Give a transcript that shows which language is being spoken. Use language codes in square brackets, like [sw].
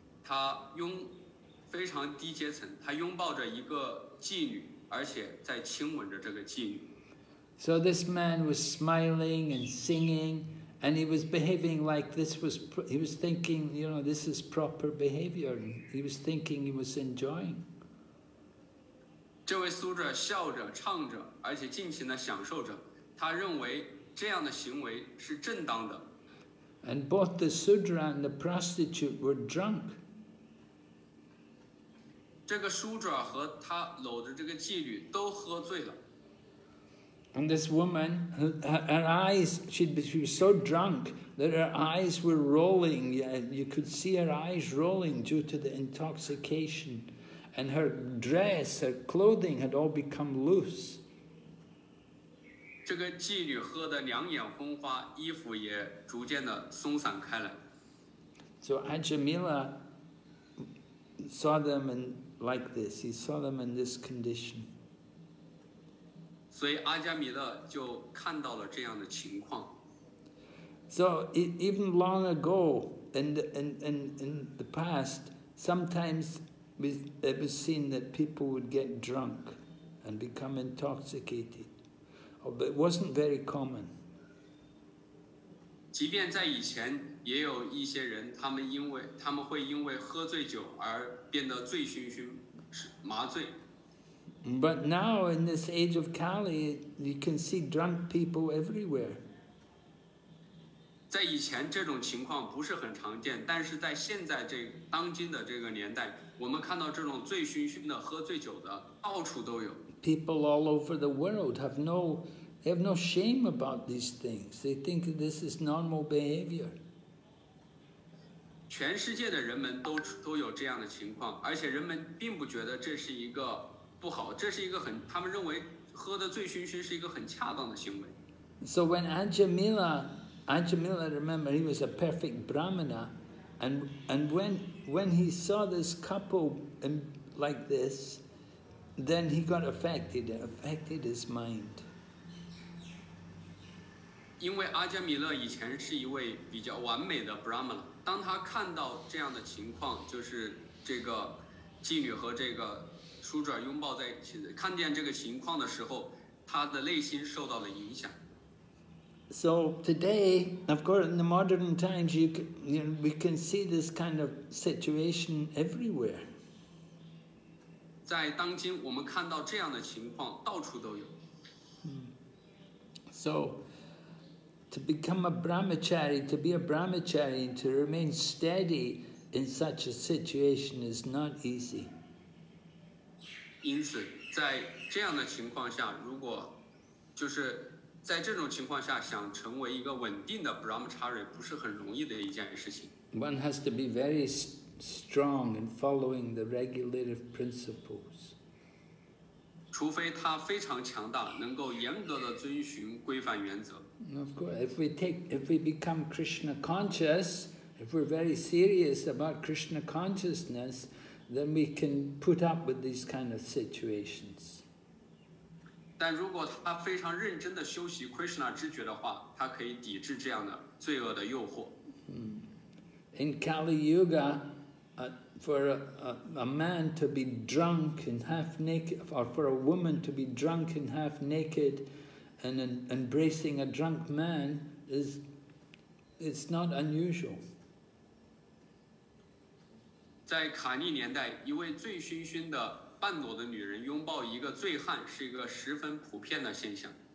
[zh] 他拥非常低阶层，他拥抱着一个妓女，而且在亲吻着这个妓女。 [en] So this man was smiling and singing, and he was behaving like this was, he was thinking, you know, this is proper behavior. He was thinking he was enjoying. [zh] 这位苏哲笑着唱着，而且尽情地享受着，他认为这样的行为是正当的。 [en] And both the Sudra and the prostitute were drunk. [zh] 这个 Sudra 和他搂着这个妓女都喝醉了。 [en] And this woman, her eyes, she was so drunk that her eyes were rolling. You could see her eyes rolling due to the intoxication. And her dress, her clothing had all become loose. [zh] 这个妓女喝得两眼昏花，衣服也逐渐地松散开来。 [en] So Ajamila saw them in like this. He saw them in this condition. [zh] 所以阿加米勒就看到了这样的情况。 [en] So even long ago, in the past, sometimes it was seen that people would get drunk and become intoxicated, but it wasn't very common. [zh] 即便在以前，也有一些人，他们会因为喝醉酒而变得醉醺醺，麻醉。 [en] But now in this age of Kali, you can see drunk people everywhere. [zh] 在以前这种情况不是很常见，但是在现在这当今的这个年代，我们看到这种醉醺醺的喝醉酒的到处都有。 [en] People all over the world have no shame about these things. They think this is normal behavior. [zh] 全世界的人们都有这样的情况，而且人们并不觉得这是一个。不好，这是一个很，他们认为喝的醉醺醺是一个很恰当的行为。 [en] So when Ajamila, remember he was a perfect Brahmana, and when he saw this couple in, like this, then he got affected. It affected his mind. [zh] 因为阿加米勒以前是一位比较完美的 Brahmana， 当他看到这样的情况，就是这个妓女和这个。书转拥抱在一起，看见这个情况的时候，他的内心受到了影响。 [en] So today, of course, in the modern times, we can see this kind of situation everywhere. [zh] 在当今，我们看到这样的情况到处都有。 [en] So to become a brahmachari, to be a brahmachari, and to remain steady in such a situation is not easy. [zh] 因此在这样的情况下，如果就是在这种情况下想成为一个稳定的 Brahmachari 不是很容易的一件事情。 [en] One has to be very strong in following the regulative principles. [zh] 除非他非常强大，能够严格的遵循规范原则。 [en] Of course, if we become Krishna conscious, if we're very serious about Krishna consciousness,then we can put up with these kind of situations. [zh] 但如果他非常认真地修习 Krishna 知觉的话，他可以抵制这样的罪恶的诱惑。 [en] In Kali Yuga, for a man to be drunk and half naked, or for a woman to be drunk and half naked, and embracing a drunk man is not unusual. [zh] 在卡利年代，一位醉醺醺的半裸的女人拥抱一个醉汉是一个十分普遍的现象。